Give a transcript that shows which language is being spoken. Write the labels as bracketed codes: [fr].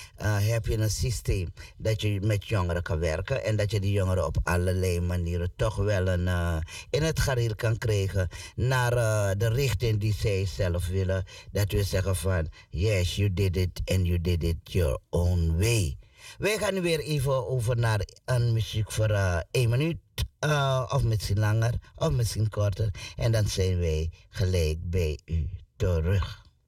[nl] Heb je een systeem dat je met jongeren kan werken en dat je die jongeren op allerlei manieren toch wel een, in het gareel kan krijgen naar de richting die zij zelf willen. Dat we zeggen van, [en] yes, you did it and you did it your own way. [nl] Wij gaan nu weer even over naar een muziek voor 1 minuut. Of misschien langer, of misschien korter. En dan zijn wij gelijk bij u terug.